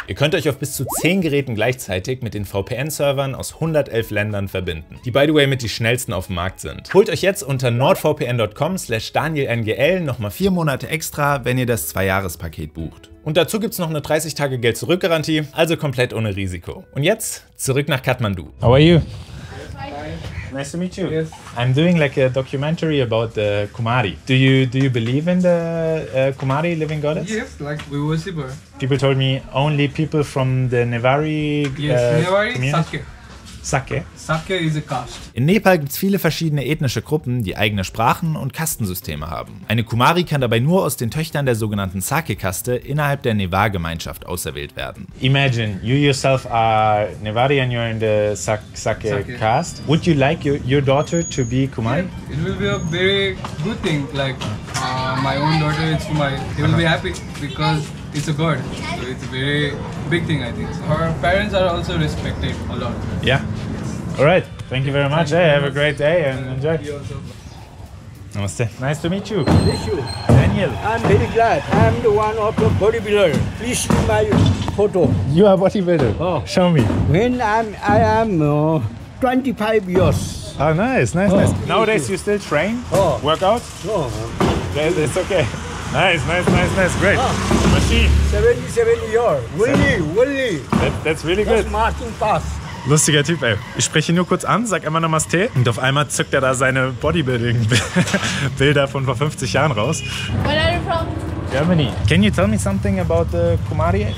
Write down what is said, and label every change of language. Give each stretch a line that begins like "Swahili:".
German: Ihr könnt euch auf bis zu 10 Geräten gleichzeitig mit den VPN-Servern aus 111 Ländern verbinden, die
English: by the way
German: mit die schnellsten auf dem Markt sind. Holt euch jetzt unter nordvpn.com/daniel.ngl nochmal 4 Monate extra, wenn ihr das 2-Jahres-Paket bucht. Und dazu gibt es noch eine 30 Tage Geld-Zurück-Garantie, also komplett ohne Risiko. Und jetzt zurück nach Kathmandu.
English: How are you? Nice to meet you. Yes. I'm doing like a documentary about the Kumari. Do you believe in the Kumari, living goddess? Yes, like we worship her. People told me only people from the Nevari. Nevari community. Sake. Sake? Sake is a caste.
German: In Nepal gibt es viele verschiedene ethnische Gruppen, die eigene Sprachen und Kastensysteme haben. Eine Kumari kann dabei nur aus den Töchtern der sogenannten Sake-Kaste innerhalb der Nevar-Gemeinschaft auserwählt werden.
English: Imagine, you yourself are Nevari and you're in the Sake caste. Would you like your daughter to be Kumari? Yeah, it will be a very good thing, like my own daughter is Kumari. They will be happy because it's a god, so it's a very big thing, I think. So her parents are also respected a lot. Yeah. All right. Thank you very much. Hey, have a great day and enjoy. Namaste. Nice to meet you. Yes, you. Daniel. I'm very glad. I'm the one of the bodybuilder. Please show me my photo. You are bodybuilder? Oh. Show me. When I am 25 years. Oh, nice. Nowadays, you still train? Oh. Workout? No. It's okay. Nice, great. Oh. Machine. 77 years. Willy. That's really good. That's marching fast.
German: Lustiger Typ, ey. Ich spreche ihn nur kurz an, sag immer Namaste und auf einmal zückt er da seine Bodybuilding-Bilder von vor 50 Jahren raus.
English: Where are you from? Germany. Can you tell me something about the Kumari?